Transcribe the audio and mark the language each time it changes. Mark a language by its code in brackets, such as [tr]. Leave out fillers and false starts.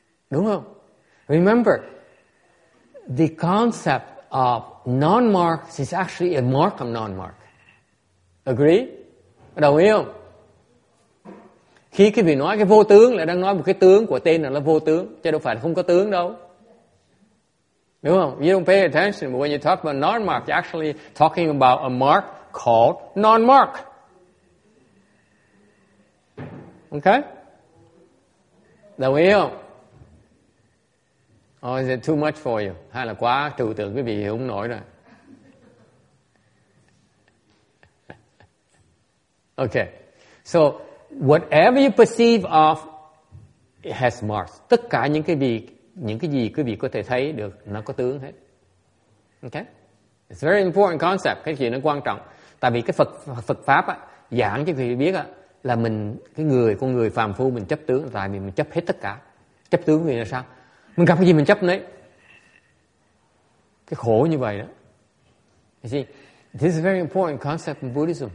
[vi] Đúng không? [en] Remember, the concept of non-mark is actually a mark of non-mark. Agree? [vi] Đồng ý không? Khi cái vị nói cái vô tướng là đang nói một cái tướng của tên là vô tướng, chứ đâu phải là không có tướng đâu. Đúng không? [en] You don't pay attention, but when you talk about non-mark, you're actually talking about a mark called non-mark. [vi] Ok? Đồng ý không? [en] Or is it too much for you? [vi] Hay là quá trừu tượng quý vị hiểu không nổi rồi? [en] Ok. So, whatever you perceive of, it has marks. [vi] Tất cả những cái gì quý vị có thể thấy được, nó có tướng hết. Okay? [en] It's a very important concept. [vi] Cái chuyện nó quan trọng. Tại vì cái Phật Pháp á, giảng cho quý vị biết á, là mình, cái người, con người phàm phu mình chấp tướng, tại vì mình chấp hết tất cả. Chấp tướng người là sao? Mình gặp cái gì mình chấp nấy. Cái khổ như vậy đó. [en] You see, this is a very important concept in Buddhism.